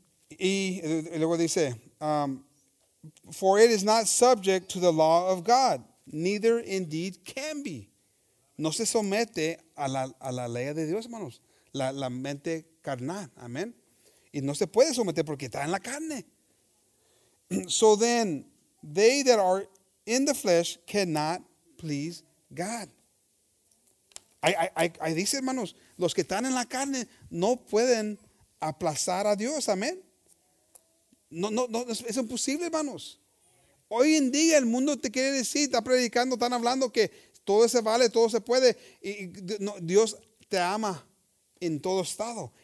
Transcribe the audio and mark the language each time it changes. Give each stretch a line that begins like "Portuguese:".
Spanish: Y luego dice,
English: for it is not subject to the law of God, neither indeed can be.
Spanish: No se somete a la ley de Dios, hermanos. La mente carnal, amen. Y no se puede someter porque está en la carne.
English: So then, they that are in the flesh cannot please God.
Spanish: Ahí dice, hermanos, los que están en la carne no pueden aplazar a Dios, amen. No, es imposible, hermanos. Hoy en día el mundo te quiere decir, está predicando, están hablando que todo se vale, todo se puede, y no, Dios te ama. En todo estado.